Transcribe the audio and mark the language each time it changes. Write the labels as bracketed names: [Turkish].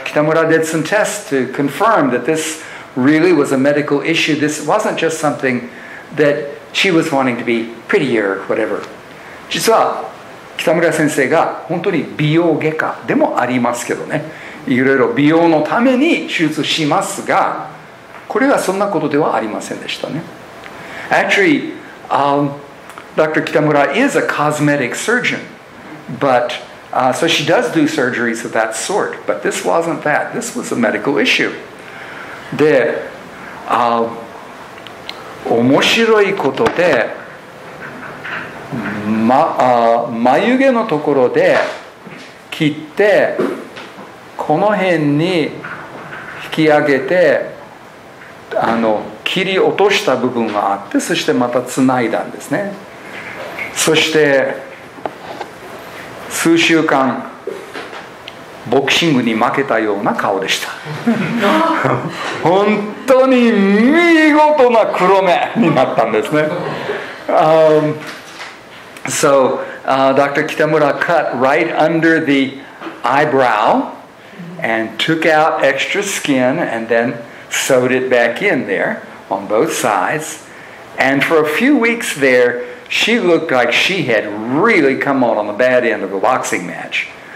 [English] Kitamura did some tests to confirm that this really was a medical issue. This wasn't just something that she was wanting to be prettier or whatever. [Japanese] 実は北村先生が本当に美容外科でもありますけどね、いろいろ美容のために手術しますが、これはそんなことではありませんでしたね。 [English] Actually, Dr. Kitamura is a cosmetic surgeon, but so she does do surgeries of that sort, but this wasn't that. This was a medical issue. [Japanese] で、面白いことで、眉毛のところで切ってこの辺に引き上げて切り落とした部分があって、そしてまたつないだんですね。そして数週間ボクシングに負けたような顔でした。本当に見事な黒目になったんですね。 [English] Dr. Kitamura cut right under the eyebrow and took out extra skin and then sewed it back in there on both sides. And for a few weeks there, she looked like she had really come out on the bad end of a boxing match.